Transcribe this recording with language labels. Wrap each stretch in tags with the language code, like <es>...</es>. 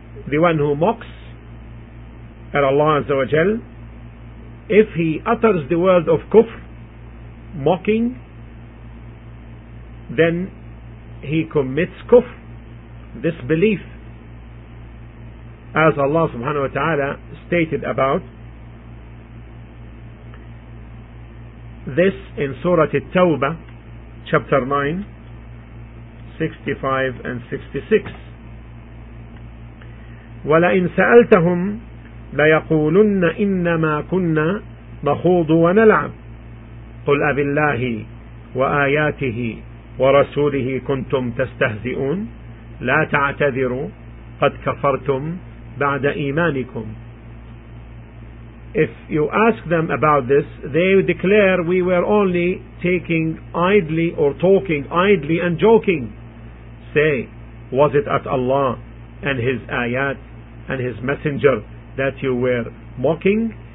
<en>The one who mocks at Allah Azza wa Jal, if he utters the word of kufr, mocking, then he commits kufr, disbelief, as Allah subhanahu wa ta'ala stated about this in Surah At-Tawbah, chapter 9, 65 and 66.</en> <ar>وَلَئِن سَأَلْتَهُمْ ليقولن إنما كنا نخوض ونلعب قل أبالله وآياته ورسوله كنتم تستهزئون لا تعتذروا قد كفرتم بعد إيمانكم.</ar> <en>If you ask them about this, they declare we were only taking idly or talking idly and joking. Say, was it at Allah and His ayat and His messenger that you were mocking?</en>